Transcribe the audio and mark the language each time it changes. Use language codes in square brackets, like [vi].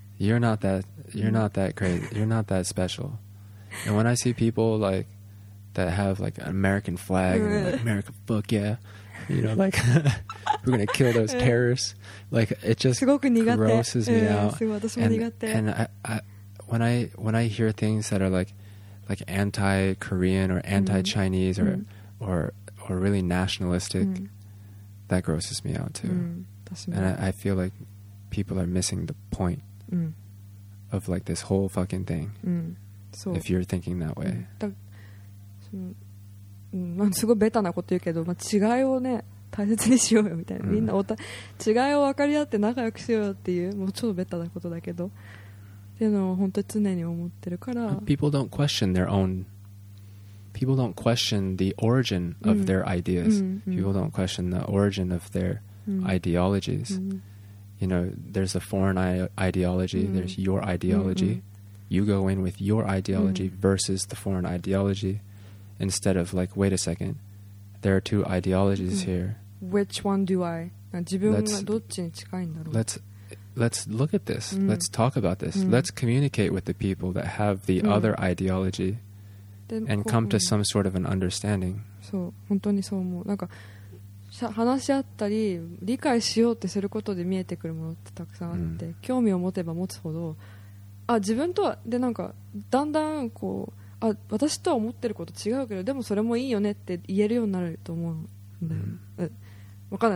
[en] You're not that You're not that crazy You're not that special And when I see people like That have like an American flag and like America fuck yeah You know like We're gonna kill those terrorists Like it just grosses me out And when I hear things that are like anti-Korean or anti-Chinese or really nationalistic, that grosses me out too. And I feel like people are missing the point of like this whole fucking thing. So if you're thinking that way. [ja] すごいベタなこと言うけど、まあ、違いをね大切にしようよみたいな。みんな違いを分かり合って仲良くしようよっていう、もうちょっとベタなことだけど。っていうのを本当に常に思ってるから、 [en] People don't question their own People don't question the origin of their ideas People don't question the origin of their ideologies You know, there's a foreign ideology There's your ideology You go in with your ideology versus the foreign ideology Instead of like, wait a second There are two ideologies here Which one do I? [ja] 自分がどっちに近いんだろう。 [en] Let's look at this. Let's talk about this. Let's communicate with the people that have the other ideology and come to some sort of an understanding. [ja] そう、本当にそう思う。なんか話し合ったり理解しようってすることで見えてくるものってたくさんあって、興味を持てば持つほど、あ、自分とはでなんかだんだんこう、あ、私とは思ってること違うけど、でもそれもいいよねって言えるようになると思うんだよ。わかんない。